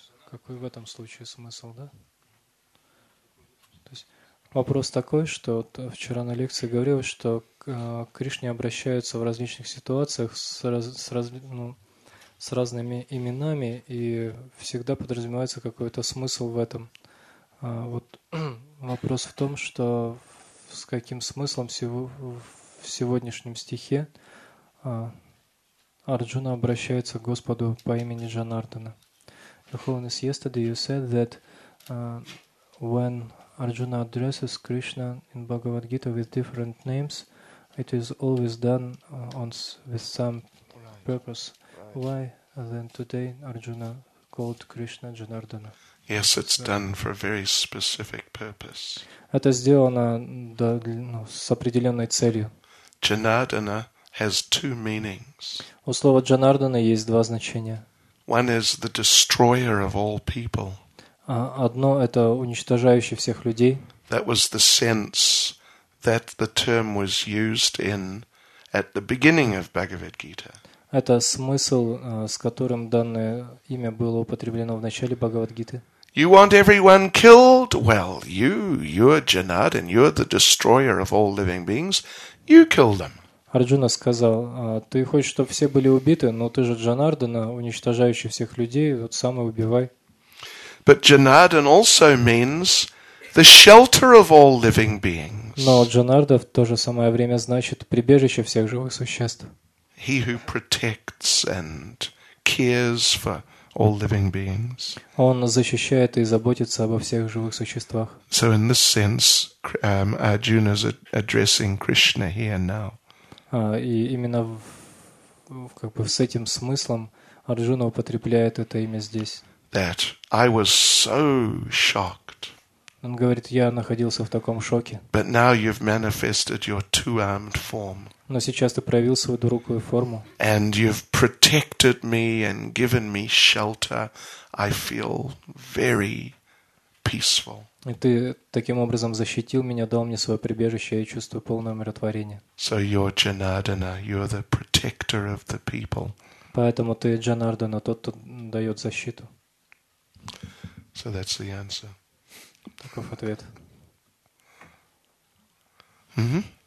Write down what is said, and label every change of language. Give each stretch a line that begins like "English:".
Russian: Какой в этом случае смысл, да? То есть вопрос такой, что вот вчера на лекции говорилось, что к Кришне обращаются в различных ситуациях с разными именами, и всегда подразумевается какой-то смысл в этом. Вот вопрос в том, что с каким смыслом в сегодняшнем стихе Арджуна обращается к Господу по имени Джанардана.
English: Holiness, yesterday you said that when Arjuna addresses Krishna in Bhagavad Gita with different names, it is always done with some purpose. Right. Why then today Arjuna called Krishna Janardana. Yes, it's done for a very specific purpose.
Russian: Это сделано с определенной целью.
English: Janardana has two meanings.
Russian: У слова Джанардана есть два значения.
English: One is the destroyer of all people.
Russian: Одно – это уничтожающий всех людей.
English: That was the sense that the term was used in at the beginning of Bhagavad Gita.
Russian: Это смысл, с которым данное имя было употреблено в начале Бхагавад-гиты.
English: You want everyone killed? Well, you're Janardana, and you're the destroyer of all living beings. You kill them.
Russian: Арджуна сказал, ты хочешь, чтобы все были убиты, но ты же Джанардана, уничтожающий всех людей, вот сам и убивай.
English: But Janardana also means the shelter of all living beings.
Russian: Но Джанарда в то же самое время значит прибежище всех живых существ.
English: He who protects and cares for all living beings.
Russian: Он защищает и заботится обо всех живых существах.
English: So in this sense, Arjuna is addressing Krishna here now.
Russian: И именно с этим смыслом Арджуна употребляет это имя здесь.
English: That I was so shocked.
Russian: Он говорит, я находился в таком шоке.
English: But now you've manifested your two-armed form.
Russian: Но сейчас ты проявил свою двурукую форму.
English: And you've protected me and given me shelter. I feel very peaceful.
Russian: И ты таким образом защитил меня, дал мне свое прибежище, я чувствую полное умиротворение.
English: So you're Janardana, you're the protector of the people.
Russian: Поэтому ты Джанардана, тот, кто дает защиту.
English: So that's the answer.
Russian: Таков ответ. Mm-hmm.